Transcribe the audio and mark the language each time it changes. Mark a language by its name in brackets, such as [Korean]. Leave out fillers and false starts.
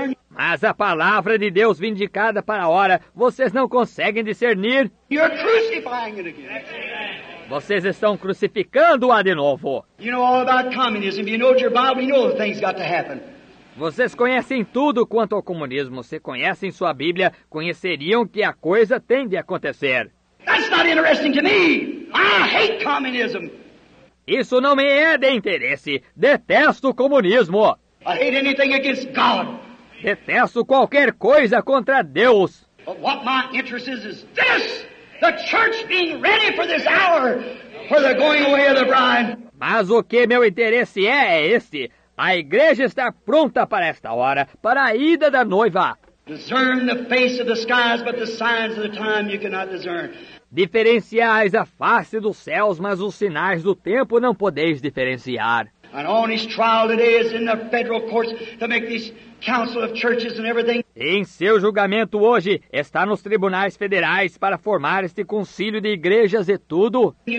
[Portuguese] Mas a palavra de Deus vindicada para a hora, vocês não conseguem discernir. [English] You're crucifying it again. [Portuguese] Vocês estão crucificando-a de novo. [English] You know all about communism. You know your Bible. You know the things got to happen. [Portuguese] Vocês conhecem tudo quanto ao comunismo. Se conhecem sua Bíblia, conheceriam que a coisa tem de acontecer. [English] That's not interesting to me. I hate communism. [Portuguese] Isso não me é de interesse. Detesto o comunismo. [English] I hate anything against God. [Portuguese] Detesto qualquer coisa contra Deus. [English] But what my interest is this. The church being ready for this hour. For the going away of the bride. [Portuguese] Mas o que meu interesse é este. A igreja está pronta para esta hora. Para a ida da noiva. [English] Discern the face of the skies, but the signs of the time you cannot discern. [Portuguese] Diferenciais a face dos céus, mas os sinais do tempo não podeis diferenciar. [English] An honest trial today is in the federal courts to make these Council of Churches and everything. [Portuguese] Em seu julgamento hoje, está nos tribunais federais para formar este concílio de igrejas e tudo.